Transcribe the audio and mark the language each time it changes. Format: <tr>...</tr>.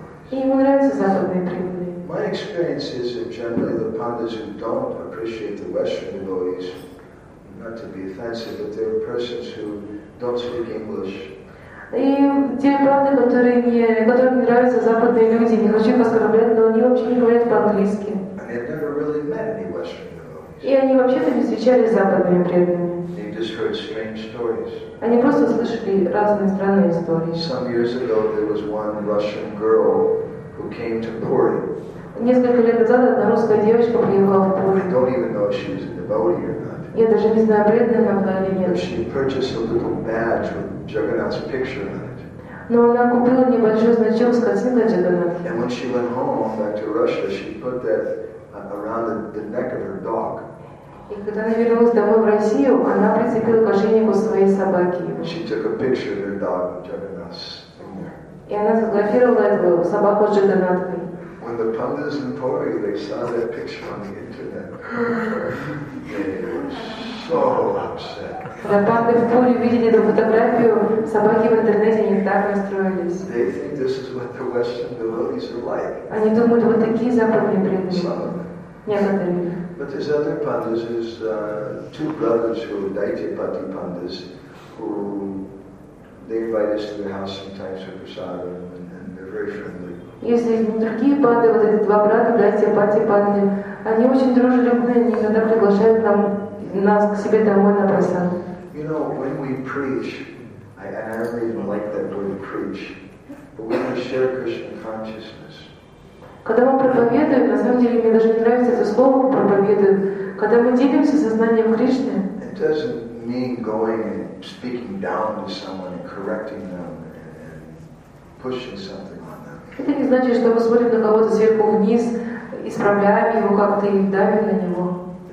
<ru>И ему нравятся западные преданные.</ru> <en>My experience is that generally the pandas who don't appreciate the Western devotees, not to be offensive, but they're persons who don't speak English.</en> <ru>И те панды, которым не нравятся западные люди, не хочу оскорблять, но они вообще не говорят по-английски.</ru> <en>And they've never really met any Western devotees.</en> <ru>И они вообще-то не встречались с западными преданными.</ru> <en>They just heard strange stories.</en> <ru>Они просто слышали разные странные истории.</ru> <en>Some years ago, there was one Russian girl who came to Puri.</en> <ru>Несколько лет назад одна русская девочка приехала в Пури.</ru> <en>I don't even know if she was a devotee or not.</en> <ru>Я даже не знаю, преданная она была или нет.</ru> <en>But she purchased a little badge with Jagannath's picture on it.</en> <ru>Но она купила небольшой значок с картинкой Джаганатха.</ru> <en>And when she went home back to Russia, she put that around the neck of her dog.</en> <ru>И когда она вернулась домой в Россию, она прицепила к ошейнику своей собаки.</ru> <en>She took a picture of her dog with Jagannath's finger.</en> <ru>И она сфотографировала эту собаку с Джаганатхой.</ru> <en>When the pandas in Puri, they saw that picture on the internet, they were so upset. They think this is what the Western devotees are like. Some of them. But there's other pandas, there's two brothers who are Daityapati pandas, who they invite us to their house sometimes for prasadam, and they're very friendly.</en> <ru>Если другие панды, вот эти два брата, да, те пати-панды, они очень дружелюбные, они иногда приглашают нас к себе домой на просад.</ru> <en>You know, when we preach, I don't even like that word preach, but when we share Krishna consciousness.</en> <ru>Когда мы проповедуем, на самом деле мне даже не нравится это слово проповедуем, когда мы делимся сознанием Кришны.</ru> <en>It doesn't mean going and speaking down to someone and correcting them and pushing something.</en> <ru>Это не значит, что мы смотрим на кого-то сверху вниз, исправляем его как-то и давим на него.</ru>